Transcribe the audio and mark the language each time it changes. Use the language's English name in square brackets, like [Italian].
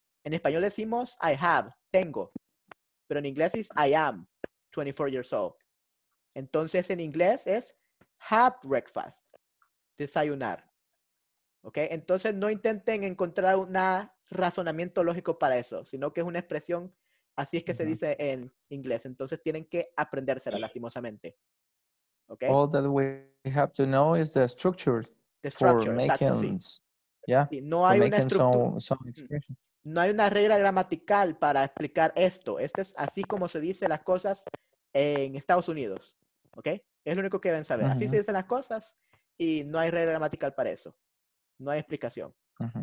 [Spanish] En español decimos, [English] I have, [Spanish] tengo. Pero en inglés es, [English] I am 24 years old. [Spanish] Entonces, en inglés es, have breakfast. Desayunar. ¿Ok? Entonces, no intenten encontrar un razonamiento lógico para eso, sino que es una expresión, así es que se dice en inglés. Entonces, tienen que aprendérsela, lastimosamente. ¿Ok? [English] All that we have to know is the structure. [Spanish] No hay una regla gramatical para explicar esto. Este es así como se dicen las cosas en Estados Unidos. ¿Ok? Es lo único que deben saber. Uh-huh. Así se dicen las cosas y no hay regla gramatical para eso. No hay explicación. Uh-huh.